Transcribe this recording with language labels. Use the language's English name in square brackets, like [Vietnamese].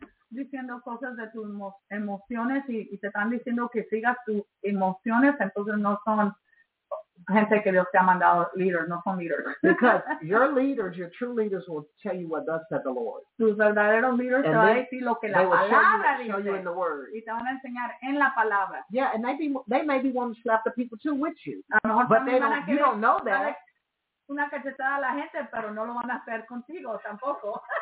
[Spanish] Diciendo cosas de tus emociones y te están diciendo que sigas tus emociones, entonces no son gente que Dios te ha mandado líderes, no son líderes. [English] Because your leaders, your true leaders will tell you what thus said the Lord. [Spanish] Tus verdaderos líderes te van a decir lo que la palabra dice. Y te van a enseñar en la palabra. [English] Yeah, and they maybe want to slap the people too with you. [Spanish] A lo mejor [English] but they don't, you don't know that. [Spanish] Una cachetada a la gente, pero no lo van a hacer contigo tampoco.